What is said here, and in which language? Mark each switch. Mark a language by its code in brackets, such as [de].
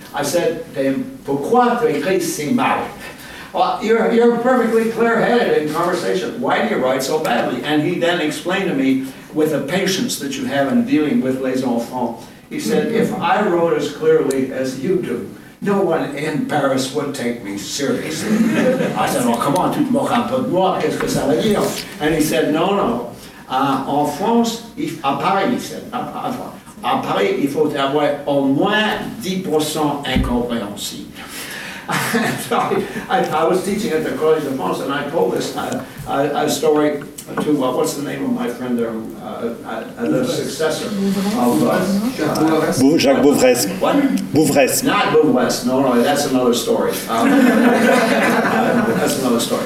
[en] I said to him, [fr] pourquoi tu écris si mal? [en] Well, you're perfectly clear-headed in conversation. Why do you write so badly? And he then explained to me, with the patience that you have in dealing with [fr] les enfants, [en] he said, if I wrote as clearly as you do, no one in Paris would take me seriously. I said, oh, come on, [fr] tu te moques un peu de moi, qu'est-ce que ça veut dire? [en] And he said, no. [fr] En France, à Paris, [en] he said, [fr] à Paris, il faut avoir au moins 10% incompréhensible. [en] So I was teaching at the Collège de France, and I told this a story to what's the name of my friend there, the successor of Jacques Bouvresse. What? Bouvresse. Not Bouvresse. No, that's another story. that's another story.